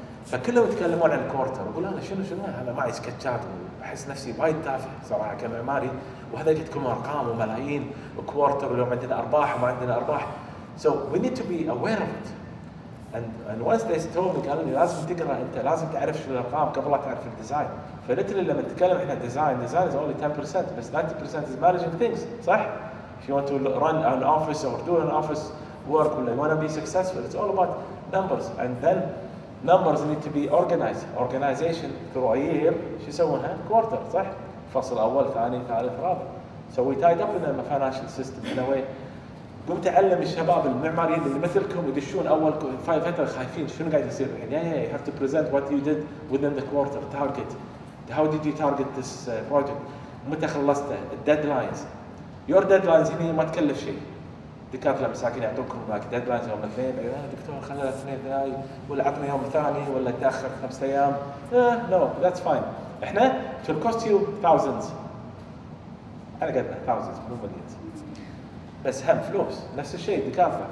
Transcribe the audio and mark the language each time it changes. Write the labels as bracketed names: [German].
[Arabic] فكلهم يتكلمون عن كوارتر. أقول أنا شنو أنا معي سكتشات وأحس نفسي وايد تافه صراحة كمعماري, وهذا يجيكم أرقام وملايين وكوارتر واليوم عندنا أرباح وما عندنا أرباح. [English] So we need to be aware of it. And once they told me, [Arabic] قالوا لي لازم تقرأ أنت, لازم تعرف شو الأرقام قبل لا تعرف الديزاين. فلتلي لما نتكلم إحنا [English] design is only 10%, بس 90% is managing things, صح؟ If you want to run an office or do an office work, or you want to be successful, it's all about numbers. And then numbers need to be organized. Organization through a year, [Arabic] شو يسوونها؟ Quarter, صح؟ فصل أول، ثاني، ثالث، رابع. [English] So we tied up in the financial system in a way. [Arabic] قمت أعلم الشباب المعماريين اللي مثلكم يدشون أول فترة خايفين شنو قاعد يصير الحين. [English] Yeah, yeah, you have to present what you did within the quarter, target. How did you target this project? [Arabic] متى خلصته؟ [English] Deadlines. Your deadlines [Arabic] هنا ما تكلف شيء. دكاترة مساكين يعطونكم هناك ديدلاينز يوم الاثنين، يقول لا دكتور خلينا الاثنين ذاي، ولا عطني يوم ثاني، ولا تاخر خمسة ايام. [English] No that's fine. [Arabic] احنا [English] to cost you thousands, [Arabic] انا قدنا ثاوزندز مو مليونز، بس هم فلوس نفس الشيء دكاترة.